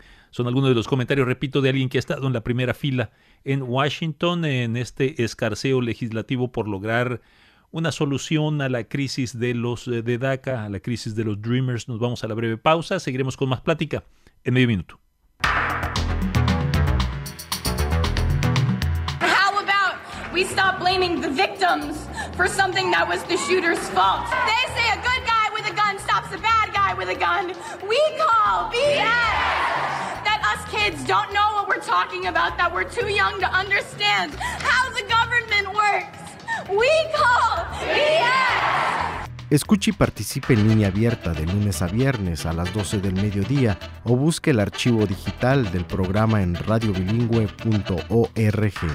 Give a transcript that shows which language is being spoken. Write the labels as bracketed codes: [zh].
[es] Son algunos de los comentarios, repito, de alguien que ha estado en la primera fila en Washington en este escarceo legislativo por lograr una solución a la crisis de los de DACA, a la crisis de los Dreamers. Nos vamos a la breve pausa. Seguiremos con más plática en medio minuto. [en] How about we stop blaming the victims for something that was the shooter's fault? They say a good guy with a gun stops a bad guy with a gun. We call BS. Us kids don't know what we're talking about, that we're too young to understand how the government works. We call BS. [es] Escuche y participe en Línea Abierta de lunes a viernes a las 12 del mediodía o busque el archivo digital del programa en radiobilingüe.org.